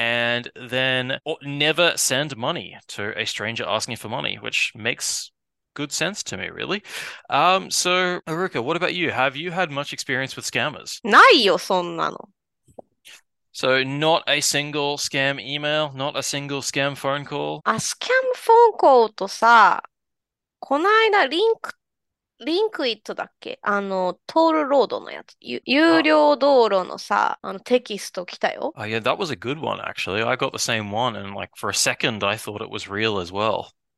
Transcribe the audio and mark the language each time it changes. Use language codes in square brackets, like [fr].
[en] And then never send money to a stranger asking for money, which makes good sense to me, really. So, Aruka, what about you? Have you had much experience with scammers? [ja] ないよ、そんなの。 [en] So, not a single scam email, not a single scam phone call. [ja] あ、スキャンフォンコールとさ、この間リンクイットだっけ？あの、トールロードのやつ。有料道路のさ、あのテキスト来たよ。 [en] Oh, yeah, that was a good one, actually. I got the same one, and like for a second, I thought it was real as well.